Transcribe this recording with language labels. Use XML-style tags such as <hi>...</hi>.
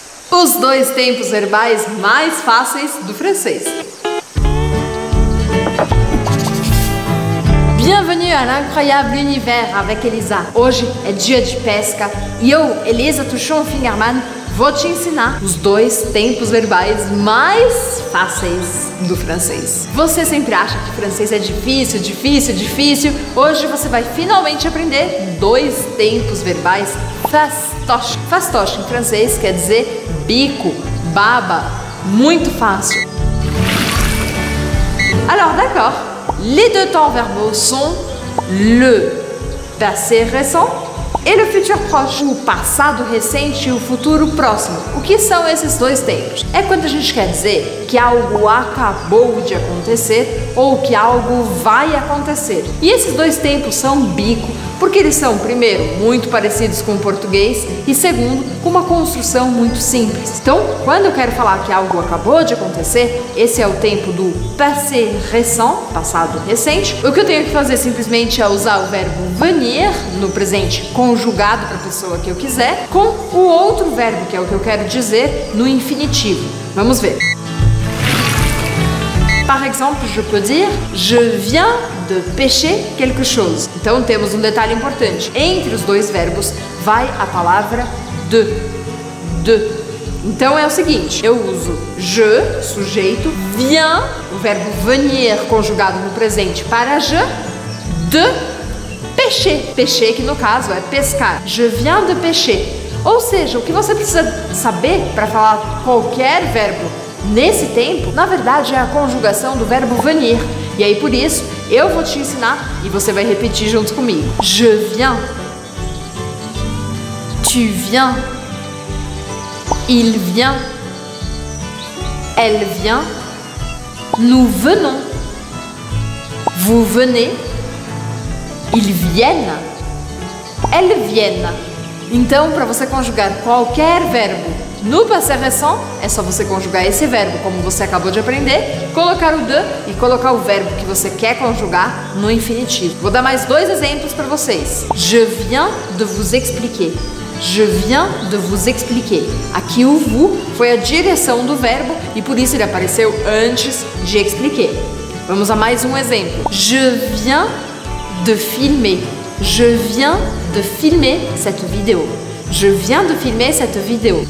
<pt>Os dois tempos verbais mais fáceis do francês.</pt> <fr>Bienvenue à l'incroyable univers avec Elisa.</fr> <pt>Hoje é dia de pesca e eu, Elisa Tuchon-Fingerman, vou te ensinar os dois tempos verbais mais fáceis do francês. Você sempre acha que francês é difícil, difícil, difícil. Hoje você vai finalmente aprender dois tempos verbais fastoche. Fastoche em francês quer dizer bico, baba, muito fácil.</pt> <fr>Alors, d'accord. Les deux temps verbaux sont le passé récent et le futur proche.</fr> <pt>O passado recente e o futuro próximo. O que são esses dois tempos? É quando a gente quer dizer que algo acabou de acontecer ou que algo vai acontecer. E esses dois tempos são bico porque eles são, primeiro, muito parecidos com o português e, segundo, com uma construção muito simples. Então, quando eu quero falar que algo acabou de acontecer, esse é o tempo do passé récent, passado recente. O que eu tenho que fazer simplesmente é usar o verbo venir, no presente conjugado para a pessoa que eu quiser, com o outro verbo, que é o que eu quero dizer, no infinitivo. Vamos ver.</pt> <fr>Par exemple, je peux dire « Je viens de pêcher quelque chose ».</fr> <pt>Então, temos um detalhe importante. Entre os dois verbos, vai a palavra « de ». De. Então, é o seguinte. Eu uso « je », sujeito, « viens », o verbo « venir », conjugado no presente, para « je », « de pêcher ». Pêcher, que no caso é pescar. «</pt> <fr>Je viens de pêcher ».</fr> <pt>Ou seja, o que você precisa saber para falar qualquer verbo nesse tempo, na verdade, é a conjugação do verbo venir. E aí, por isso, eu vou te ensinar e você vai repetir junto comigo.</pt> <fr>Je viens. Tu viens. Il vient. Elle vient. Nous venons. Vous venez. Ils viennent. Elles viennent.</fr> <pt>Então, para você conjugar qualquer verbo no passé récent, é só você conjugar esse verbo, como você acabou de aprender, colocar o de e colocar o verbo que você quer conjugar no infinitivo. Vou dar mais dois exemplos para vocês.</pt> <fr>Je viens de vous expliquer. Je viens de vous expliquer.</fr> <pt>Aqui o vous foi a direção do verbo e por isso ele apareceu antes de expliquer. Vamos a mais um exemplo.</pt> <fr>Je viens de filmer. Je viens de filmer cette vidéo. Je viens de filmer cette vidéo.</fr>